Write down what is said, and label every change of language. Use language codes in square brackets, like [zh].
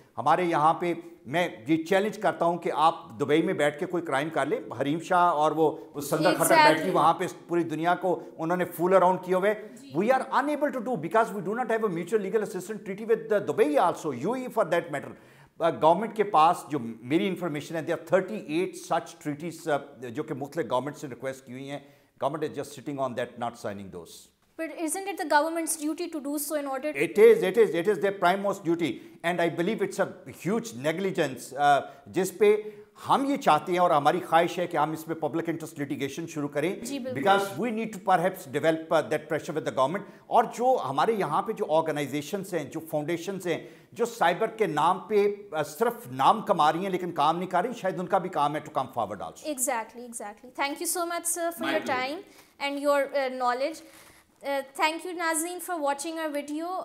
[ur] ہمارے یہاں پہ میں یہ چیلنج کرتا ہوں کہ آپ دبئی میں بیٹھ کے کوئی کرائم کر لیں, حریم شاہ اور وہ سندر خطر بیٹھ کے وہاں پہ پوری دنیا کو انہوں نے فول اراؤنڈ کیے ہوئے, [en] We are unable to do because we do not have a mutual legal assistant treaty with Dubai also, U E for that matter. [ur] Government کے پاس جو میری انفارمیشن ہے, [en] they are 38 such treaties [ur] جو کہ مختلف گورنمنٹ سے ریکویسٹ کی ہوئی ہیں. [en] Government is just sitting on that, not signing those. But isn't it the government's duty to do so in order to... It is their prime most duty. And I believe it's a huge negligence. [ur] جس پہ ہم یہ چاہتے ہیں اور ہماری خواہش ہے کہ ہم اس پہ پبلک انٹرسٹ لیٹیگیشن شروع کریں. [en] Because we need to perhaps develop that pressure with the government. [ur] اور جو ہمارے یہاں پہ جو آرگنائزیشنس ہیں, جو فاؤنڈیشنس ہیں, جو سائبر کے نام پہ صرف نام کما رہی ہیں لیکن کام نہیں کر رہی, شاید ان کا بھی کام ہے [en] To come forward also. Exactly. Thank you so much, sir, for your time and your knowledge. Thank you, ناظرین, for watching our video.